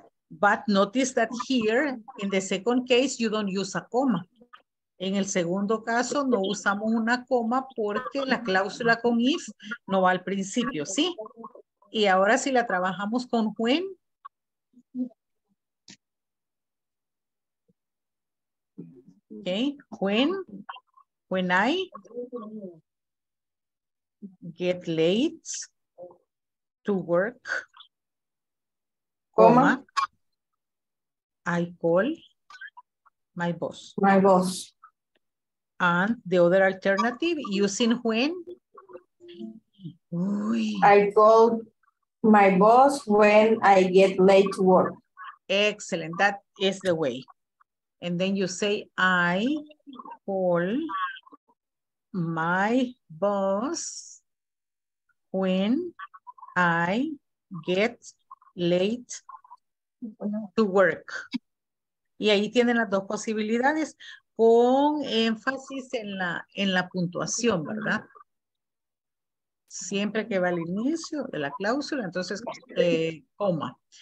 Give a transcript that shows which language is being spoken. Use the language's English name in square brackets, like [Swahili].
[English] But notice that here, in the second case, you don't use a comma. [Spanish] En el segundo caso, no usamos una coma porque la cláusula con if no va al principio, ¿sí? Y ahora si la trabajamos con when. [English] Okay, when I get late to work, comma, I call my boss. My boss. And the other alternative, using when? I call my boss when I get late to work. Excellent, that is the way. And then you say, I call my boss when I get late to work. [Spanish] Y ahí tienen las dos posibilidades con énfasis en la puntuación, ¿verdad? Siempre que va al inicio de la cláusula, entonces coma.